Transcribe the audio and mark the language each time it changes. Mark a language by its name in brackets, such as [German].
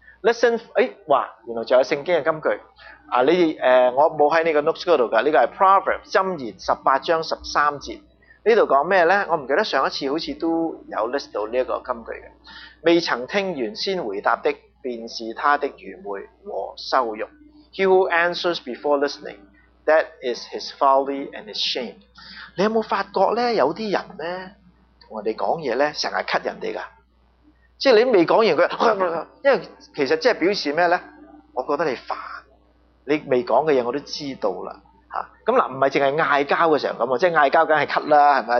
[Cantonese] Listen， 哇，原来仲有圣经嘅金句。啊！你我冇喺呢個 notes 嗰度噶，呢個係 Proverbs 箴言18:13。呢度講咩咧？我唔記得上一次好似都有 list 到呢一個金句嘅。未曾聽完先回答的，便是他的愚昧和羞辱。 [English] He who answers before listening, that is his folly and his shame。 [Cantonese] 你有冇發覺咧？有啲人咧同人哋講嘢咧，成日 cut 人哋噶，即係你未講完佢，因為其實即係表示咩咧？我覺得你煩。你未講嘅嘢我都知道啦，嚇咁嗱，唔係淨係嗌交嘅時候咁啊，即係嗌交梗係 cut 啦，係咪啊？